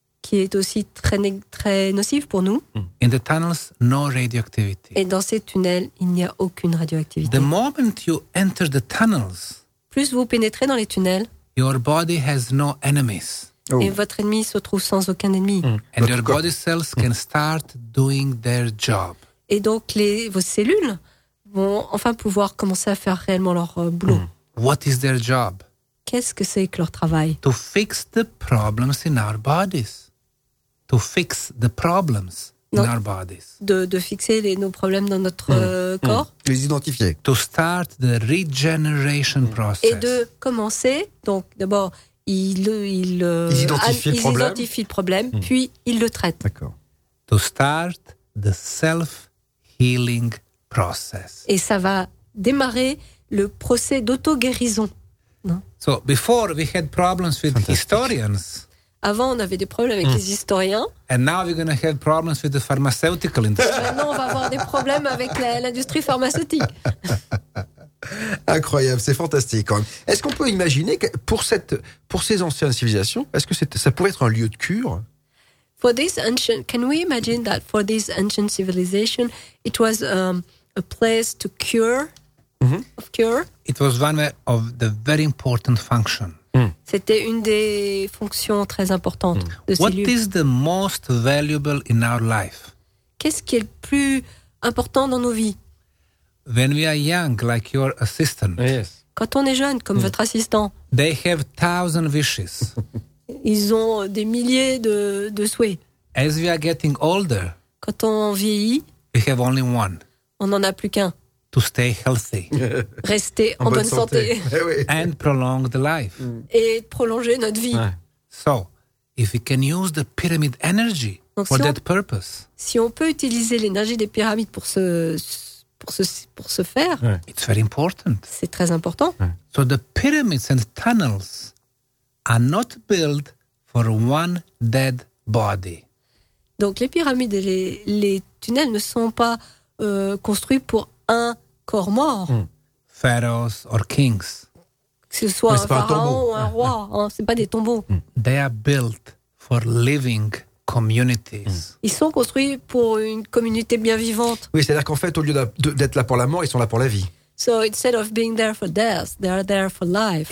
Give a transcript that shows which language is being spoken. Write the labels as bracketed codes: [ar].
[fr] Qui est aussi très, très nocive pour nous. [en] In the tunnels, no radioactivity. [fr] Et dans ces tunnels, il n'y a aucune radioactivité. [en] The moment you enter the tunnels, [fr] plus vous pénétrez dans les tunnels, [en] your body has no enemies. Oh. [fr] Et votre ennemi se trouve sans aucun ennemi. [en] And your body cells can start doing their job. [fr] Et donc vos cellules vont enfin pouvoir commencer à faire réellement leur boulot. [en] What is their job? [fr] Qu'est-ce que c'est que leur travail? [en] To fix the problems in our bodies. To fix the problems in our bodies. [fr] De fixer nos problèmes dans notre corps. Les identifier. [en] To start the regeneration process. [fr] Et de commencer, donc d'abord, ils identifient le problème, puis ils le traitent. D'accord. [en] To start the self-healing process. [fr] Et ça va démarrer le procès d'auto-guérison. [en] So before we had problems with historians. [fr] Avant on avait des problèmes avec les historiens. [en] And now we're going to have problems with the pharmaceutical industry. [fr] Maintenant on va avoir des problèmes avec l'industrie pharmaceutique. Incroyable, c'est fantastique quand même. Est-ce qu'on peut imaginer que pour ces anciennes civilisations, est-ce que ça pourrait être un lieu de cure? [en] For this ancient, can we imagine that for this ancient civilization, it was a place to cure? Mm-hmm. Of cure. It was one of the very important functions. [fr] C'était une des fonctions très importantes de ces [en] What [fr] lieux. [en] What is the most valuable in our life? [fr] Qu'est-ce qui est le plus important dans nos vies? [en] When we are young, like your assistant. Yes. [fr] Quand on est jeune, comme votre assistant. [en] They have 1,000 wishes. [fr] Ils ont des milliers de souhaits. [en] As we are getting older. [fr] Quand on vieillit. [en] We have only one. [fr] On n'en a plus qu'un. [en] To stay healthy. [fr] Rester en bonne santé. [en] And prolong the life. [fr] Et prolonger notre vie. [en] So, if we can use the pyramid energy for that purpose. [fr] Si on peut utiliser l'énergie des pyramides pour ce faire. [en] It's very important. [fr] C'est très important. [en] So the pyramids and tunnels are not built for one dead body. [fr] Donc les pyramides et les tunnels ne sont pas construits pour un corps mort. [en] Pharaohs or kings. [fr] Que ce soit un pharaon ou un roi, c'est pas des tombeaux. [en] They are built for living communities. [fr] Ils sont construits pour une communauté bien vivante. Oui, c'est-à-dire qu'en fait, au lieu d'être là pour la mort, ils sont là pour la vie. [en] So instead of being there for death, they are there for life.